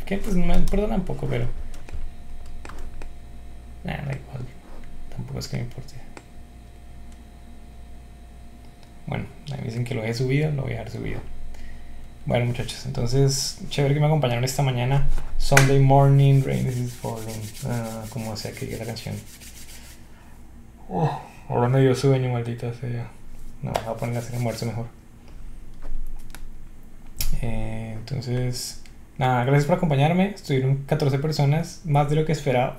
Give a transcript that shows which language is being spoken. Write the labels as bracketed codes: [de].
[es] Que pues me perdona un poco, pero. Nada, da igual. Tampoco es que me importe. Bueno, ahí dicen que lo he subido, lo voy a dejar subido. Bueno, muchachos, entonces, chévere que me acompañaron esta mañana. [en] Sunday morning, rain is falling. [es] Como sea que diga la canción. Ahora me dio sueño, maldita sea. No, voy a ponerle a hacer almuerzo mejor. Entonces, nada, gracias por acompañarme. Estuvieron 14 personas, más de lo que esperaba.